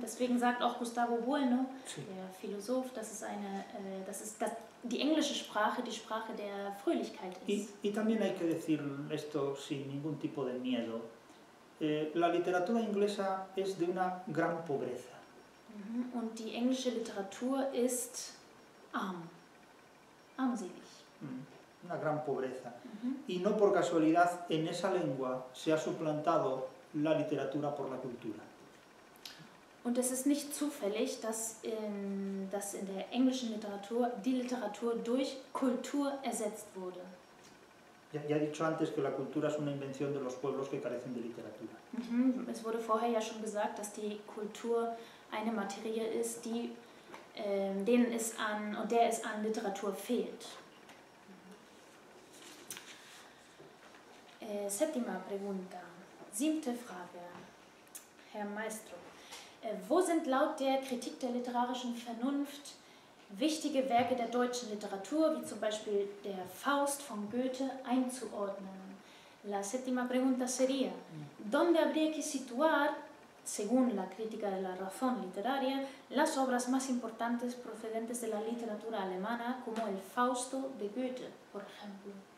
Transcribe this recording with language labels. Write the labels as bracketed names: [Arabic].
[German] Deswegen sagt auch Gustavo Bueno, der Philosoph, dass es eine, dass die englische Sprache die Sprache der Fröhlichkeit ist. [Spanish] Y también hay que decir esto sin ningún tipo de miedo. La literatura inglesa es de una gran pobreza. [German] Und die englische Literatur ist armselig. [Spanish] Una gran pobreza. Y no por casualidad en esa lengua se ha suplantado la literatura por la cultura. [German] Und es ist nicht zufällig, dass in der englischen Literatur die Literatur durch Kultur ersetzt wurde. [Spanish] Ya he dicho antes que la cultura es una invención de los pueblos que carecen de literatura. [German] Es wurde vorher ja schon gesagt, dass die Kultur eine Materie ist, die denen es an und der es an Literatur fehlt. [Spanish] Séptima pregunta. [German] Siebte Frage. Herr Maestro, wo sind laut der Kritik der literarischen Vernunft wichtige Werke der deutschen Literatur, wie zum Beispiel der Faust von Goethe, einzuordnen? [Spanish] La séptima pregunta sería, ¿dónde habría que situar, según la crítica de la razón literaria, las obras más importantes procedentes de la literatura alemana, como el Fausto de Goethe, por ejemplo?